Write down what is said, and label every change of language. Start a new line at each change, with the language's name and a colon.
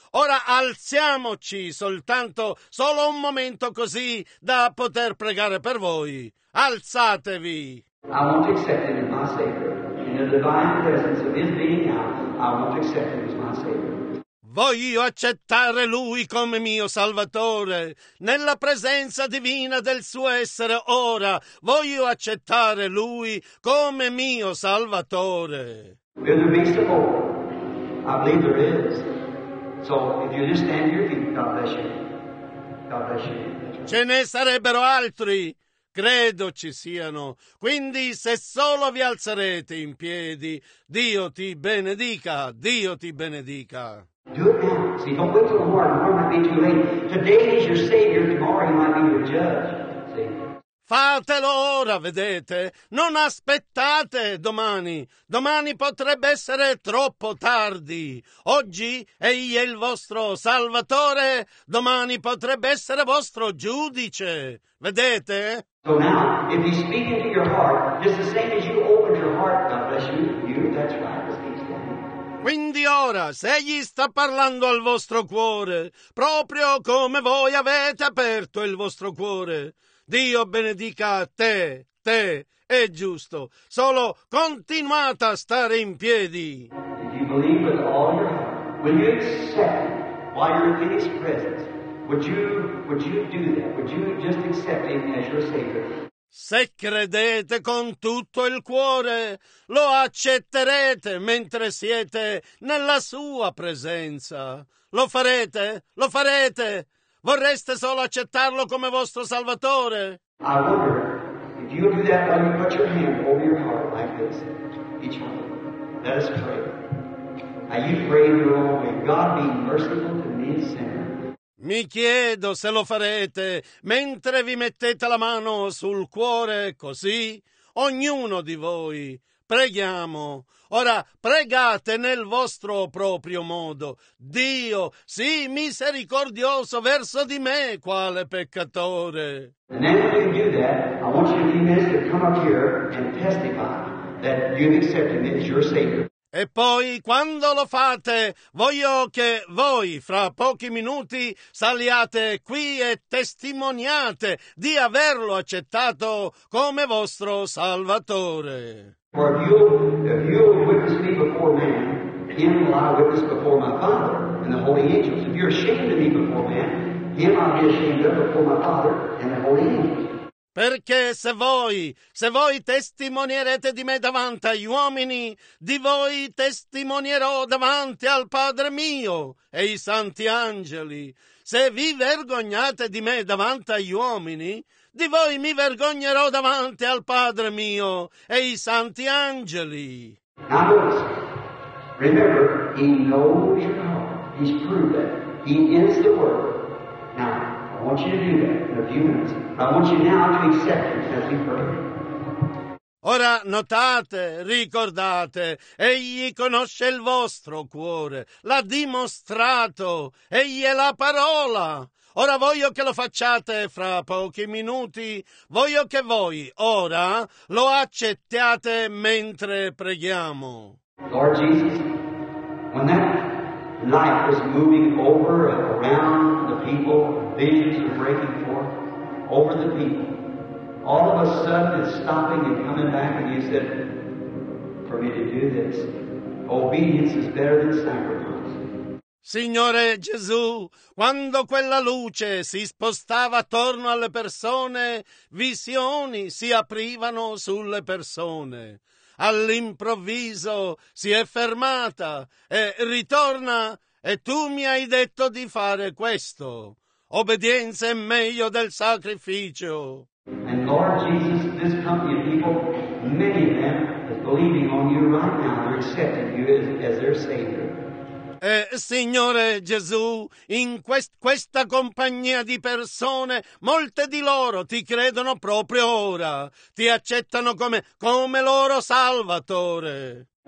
Italian: Ora alziamoci soltanto, solo un momento così da poter pregare per voi. Alzatevi.
English: I want to accept him as my Savior. In the divine presence of his being now, I want to accept him as my Savior.
Italian: Voglio accettare Lui come mio Salvatore, nella presenza divina del suo essere ora. Voglio accettare Lui come mio Salvatore.
English: Will there be some more? I believe there is. So, if you just stand your feet, God bless you. God bless you.
Italian: Ce ne sarebbero altri? credo ci siano. Quindi, se solo vi alzerete in piedi, Dio ti benedica, Dio ti benedica.
English: Do it now. See, don't wait till tomorrow. Tomorrow might be too late. Today is your savior. Tomorrow you might be your judge. See?
Italian: Fatelo ora, vedete? Non aspettate domani. Domani potrebbe essere troppo tardi. Oggi egli è il vostro salvatore. Domani potrebbe essere vostro giudice. Vedete?
English: So now, if he's speaking to your heart, it's the same as you opened your heart. God bless you. That's right.
Italian: Quindi ora, se egli sta parlando al vostro cuore, proprio come voi avete aperto il vostro cuore, Dio benedica te, te, è giusto. Solo continuate a stare in piedi.
English: If you believe with all your heart, when you accept while you're in his presence, would you do that? Would you just accept him as your savior?
Italian: Se credete con tutto il cuore, lo accetterete mentre siete nella sua presenza. Lo farete? Lo farete? Vorreste solo accettarlo come vostro salvatore?
English: I wonder if you do that when you put your hand over your heart like this, each other. Let us pray. Now you pray in your own way. God be merciful to me, sinner.
Italian: Mi chiedo se lo farete mentre vi mettete la mano sul cuore, così ognuno di voi preghiamo. Ora pregate nel vostro proprio modo. Dio, sii misericordioso verso di me, quale peccatore.
English: And after you do that, I want you to be ministered to come up here and testify that you've accepted me as your savior.
Italian: E poi, quando lo fate, voglio che voi, fra pochi minuti, saliate qui e testimoniate di averlo accettato come vostro salvatore.
English: For if you witness me before man, him will I witness before my Father and the holy angels. If you're ashamed of me before man, him I'll be ashamed of before my Father and the holy angels.
Italian: Perché se voi testimonierete di me davanti agli uomini, di voi testimonierò davanti al Padre mio e i santi angeli. Se vi vergognate di me davanti agli uomini, di voi mi vergognerò davanti al Padre mio e i santi angeli.
English: Now, remember, he knows your heart. He's proved that. He is the word. Now, I want you to do that in a few minutes. I want you now to accept him as we pray.
Italian: Ora notate, ricordate, egli conosce il vostro cuore, l'ha dimostrato, egli è la parola. Ora voglio che lo facciate fra pochi minuti, voglio che voi ora lo accettiate mentre preghiamo.
English: Lord Jesus, when that light was moving over and around the people, visions are breaking forth over the people. All of a sudden it's stopping and coming back, and you said, for me to do this, obedience is better than sacrifice.
Italian: Signore Gesù, quando quella luce si spostava attorno alle persone, visioni si aprivano sulle persone. All'improvviso si è fermata e ritorna, e tu mi hai detto di fare questo. Obbedienza è meglio del sacrificio.
English: And Lord Jesus, this company of people, many of them are believing on you right now. They're accepting you as their savior.
Italian: Signore Gesù, in questa compagnia di persone, molte di loro ti credono proprio ora. Ti accettano come loro salvatore.